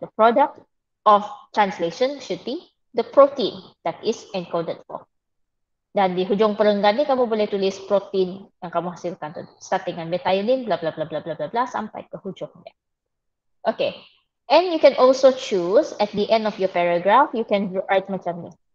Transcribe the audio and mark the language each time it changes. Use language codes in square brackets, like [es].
[en] The product of translation should be the protein that is encoded for. [ms] Dan di hujung perenggan ini, kamu boleh tulis protein yang kamu hasilkan. Starting dengan methionine, blah, blah, blah, blah, blah, blah, blah, sampai ke hujungnya. Okay. [en] And you can also choose at the end of your paragraph, you can write [ms] macam ni.